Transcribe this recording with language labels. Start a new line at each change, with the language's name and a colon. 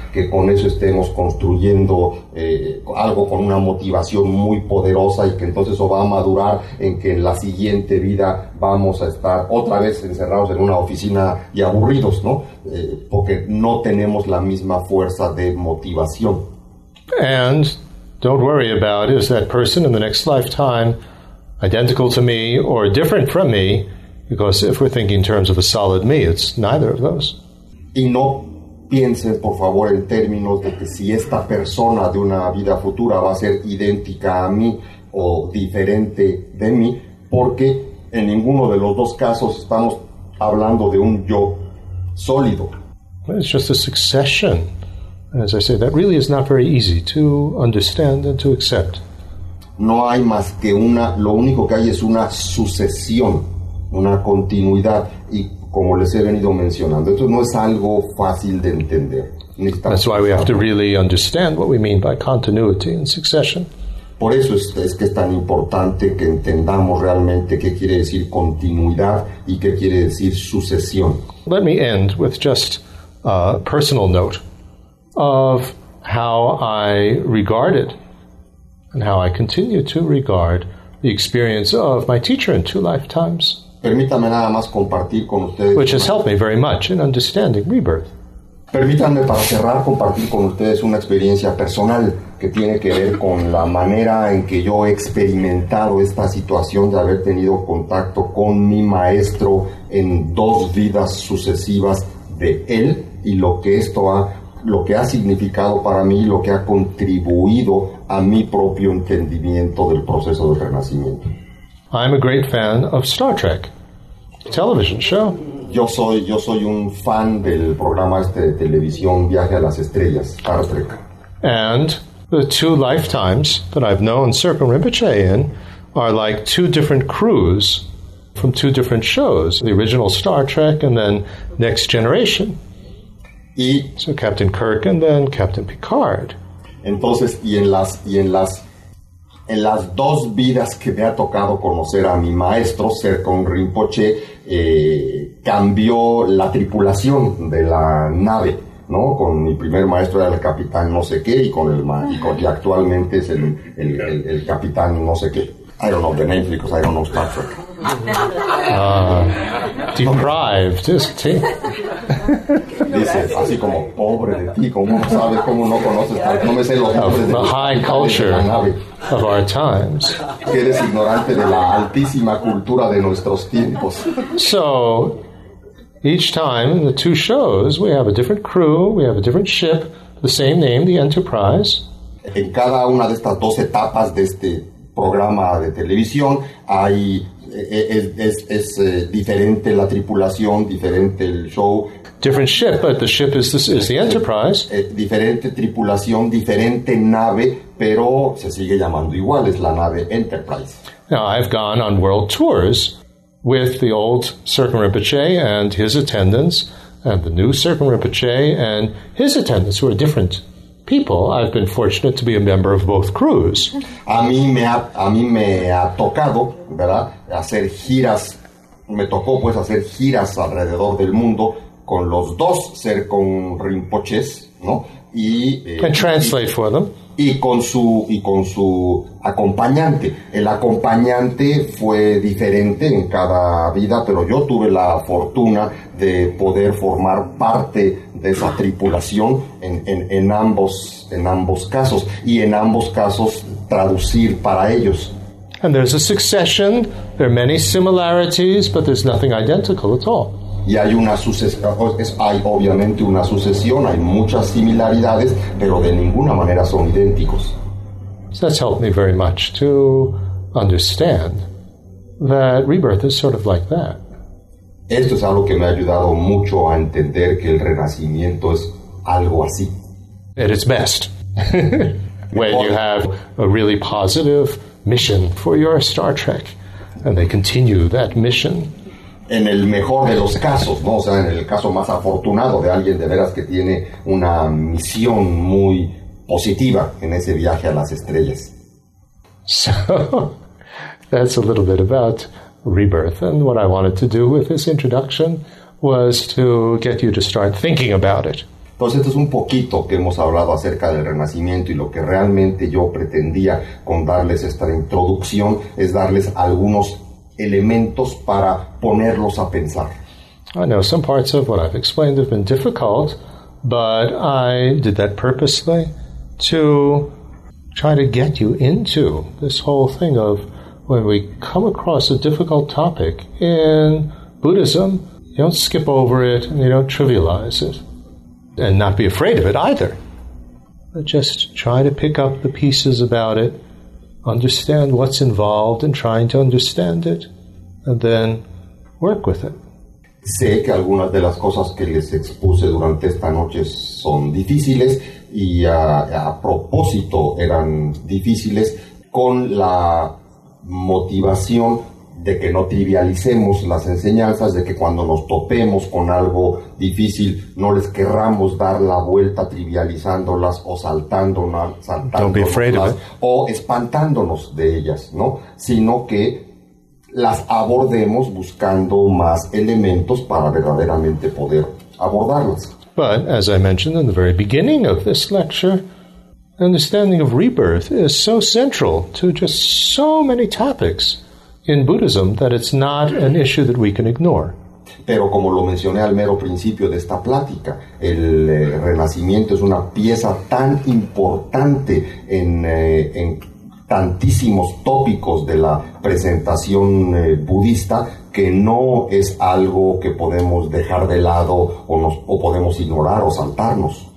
Spanish: Que con eso estemos construyendo algo con una motivación muy poderosa y que entonces eso va a madurar en que en la siguiente vida vamos a estar otra vez encerrados en una oficina y aburridos, ¿no? Porque no tenemos la misma fuerza de motivación.
English: And don't worry about, is that person in the next lifetime identical to me or different from me? Because if we're thinking in terms of a solid me, it's neither of those.
Spanish: Y no piensen, por favor, en términos de que si esta persona de una vida futura va a ser idéntica a mí o diferente de mí, porque en ninguno de los dos casos estamos hablando de un yo sólido.
English: It's just a succession. As I say, that really is not very easy to understand and to accept.
Spanish: No hay más que una, lo único que hay es una sucesión, una continuidad, y como les he venido mencionando. Esto no es algo fácil de entender. Necesitamos
English: That's why we have to really understand what we mean by continuity and succession.
Spanish: Por eso es que es tan importante que entendamos realmente qué quiere decir continuidad y qué quiere decir sucesión.
English: Let me end with just a personal note of how I regarded and how I continue to regard the experience of my teacher in two lifetimes.
Spanish: Permítanme nada más compartir con ustedes,
English: which has helped me very much in understanding rebirth.
Spanish: Permítanme para cerrar compartir con ustedes una experiencia personal que tiene que ver con la manera en que yo he experimentado esta situación de haber tenido contacto con mi maestro en dos vidas sucesivas de él y lo que esto ha, lo que ha significado para mí, lo que ha contribuido a mi propio entendimiento del proceso del renacimiento.
English: I'm a great fan of Star Trek, television show.
Spanish: Yo soy un fan del programa este de televisión Viaje a las Estrellas, Star Trek.
English: And the two lifetimes that I've known Serpa Rinpoche in are like two different crews from two different shows, the original Star Trek and then Next Generation.
Spanish: Y
English: so Captain Kirk and then Captain Picard.
Spanish: Entonces, y en las dos vidas que me ha tocado conocer a mi maestro, Serpa Rinpoche, cambió la tripulación de la nave, ¿no? Con mi primer maestro era el capitán no sé qué, y actualmente es el capitán no sé qué.
English: I don't know the name because I don't know Star Trek. Deprived, isn't he?
Spanish: Dice, así como, pobre de ti, ¿cómo sabes, cómo no conoces? No me sé los nombres de la
English: high culture of our times.
Spanish: Eres ignorante de la altísima cultura de nuestros tiempos.
English: So, each time in the two shows, we have a different crew, we have a different ship, the same name, the Enterprise.
Spanish: En cada una de estas dos etapas de este programa de televisión, es diferente la tripulación, diferente el show.
English: Different ship, but the ship is the Enterprise.
Spanish: Diferente tripulación, diferente nave, pero se sigue llamando igual, es la nave Enterprise.
English: Now, I've gone on world tours with the old Serpa Rinpoche and his attendants, and the new Serpa Rinpoche and his attendants, who are different people. I've been fortunate to be a member of both crews.
Spanish: A mí me ha tocado, ¿verdad? Hacer giras, me tocó pues hacer giras alrededor del mundo con los dos Serpa Rinpoches, ¿no?
English: And translate for them.
Spanish: Y con su acompañante. El acompañante fue diferente en cada vida, pero yo tuve la fortuna de poder formar parte de esa tripulación en ambos casos, y en ambos casos traducir para ellos.
English: And there's a succession, there are many similarities, but there's nothing identical at all.
Spanish: Y hay una hay obviamente una sucesión, hay muchas similaridades, pero de ninguna manera son idénticos.
English: So that's helped me very much to understand that rebirth is sort of like that.
Spanish: Esto es algo que me ha ayudado mucho a entender que el renacimiento es algo así.
English: At its best. When you have a really positive mission for your Star Trek, and they continue that mission.
Spanish: En el mejor de los casos, ¿no? O sea, en el caso más afortunado de alguien de veras que tiene una misión muy positiva en ese viaje a las estrellas.
English: So, that's a little bit about rebirth. And what I wanted to do with this introduction was to get you to start thinking about it.
Spanish: Entonces, esto es un poquito que hemos hablado acerca del renacimiento, y lo que realmente yo pretendía con darles esta introducción es darles algunos elementos para ponerlos a pensar.
English: I know some parts of what I've explained have been difficult, but I did that purposely to try to get you into this whole thing of when we come across a difficult topic in Buddhism, you don't skip over it and you don't trivialize it and not be afraid of it either. But just try to pick up the pieces about it, understand what's involved in trying to understand it, and then work with it.
Spanish: Sé que algunas de las cosas que les expuse durante esta noche son difíciles, y a propósito eran difíciles, con la motivación de que no trivialicemos las enseñanzas, de que cuando nos topemos con algo difícil no les querramos dar la vuelta trivializándolas o saltándolas o espantándonos de ellas, ¿no? Sino que las abordemos buscando más elementos para verdaderamente poder abordarlas.
English: But as I mentioned in the very beginning of this lecture, the understanding of rebirth is so central to just so many topics in Buddhism that it's not an issue that we can ignore.
Spanish: Pero como lo mencioné al mero principio de esta plática, el renacimiento es una pieza tan importante en tantísimos tópicos de la presentación budista que no es algo que podemos dejar de lado o podemos ignorar o saltarnos.